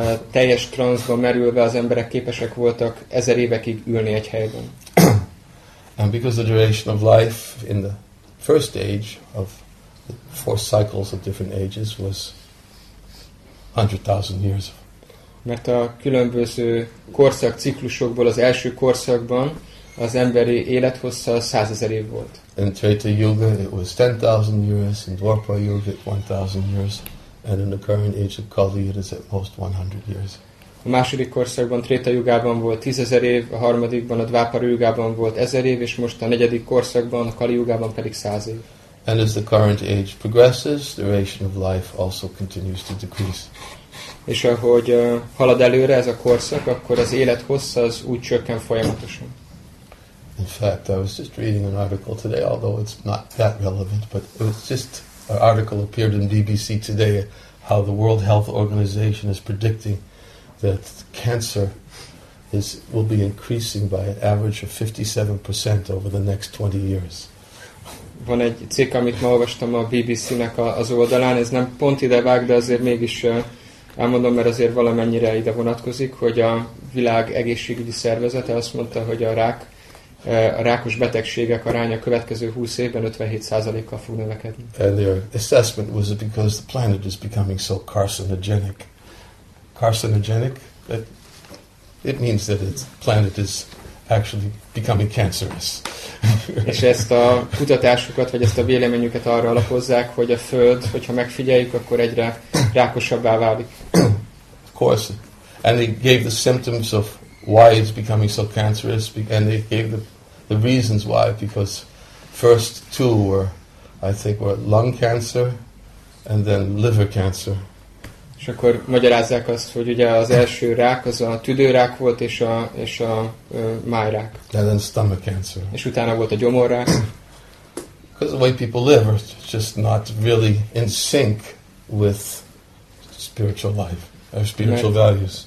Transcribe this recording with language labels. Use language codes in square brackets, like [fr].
[hu] Teljes transzba merülve az emberek képesek voltak ezer évekig ülni egy helyben. [en] And because the duration of life in the first age of the four cycles of different ages was 100,000 years. [hu] Mert a különböző korszak ciklusokból az első korszakban az emberi élethossza 100,000 év volt. [en] In Treta Yuga it was 10,000 years, in Dwapara Yuga 1,000 years, and in the current age of Kali it is at most 100 years. [hu] A második korszakban Treta Yugában volt 10,000 év, a harmadikban a Dwapara Yugában volt 1,000 év, és most a negyedik korszakban a Kali Yugában pedig 100 év. [en] And as the current age progresses, the duration of life also continues to decrease. [hu] És ahogy halad előre ez a korszak, akkor az élet hossza az úgy csökken folyamatosan. [en] In fact, I was just reading an article today, although it's not that relevant, but it was just an article appeared in BBC today, how the World Health Organization is predicting that cancer will be increasing by an average of 57% over the next 20 years. [hu] Van egy cikk, amit ma olvastam a BBC-nek az oldalán, ez nem pont ide vág, de azért mégis elmondom, mert azért valamennyire ide vonatkozik, hogy a világ egészségügyi szervezete azt mondta, hogy a rákos betegségek aránya a következő 20 évben 57%-kal fog növekedni. [en] And their assessment was because the planet is becoming so carcinogenic. Carcinogenic? It means that the planet is actually becoming cancerous. [hu] És ezt a kutatásukat, vagy ezt a véleményüket arra alapozzák, hogy a Föld, hogyha megfigyeljük, akkor egyre rákosabbá válik. [en] Of course. And they gave the symptoms of why it's becoming so cancerous, and they gave the reasons why, because first two were, I think, were lung cancer, and then liver cancer. [hu] És akkor magyarázzák azt, hogy ugye az első rák, az a tüdőrák volt, és a májrák. [en] And then stomach cancer. [hu] És utána volt a gyomorrák. [en] Because the way people live are just not really in sync with spiritual life, or spiritual values.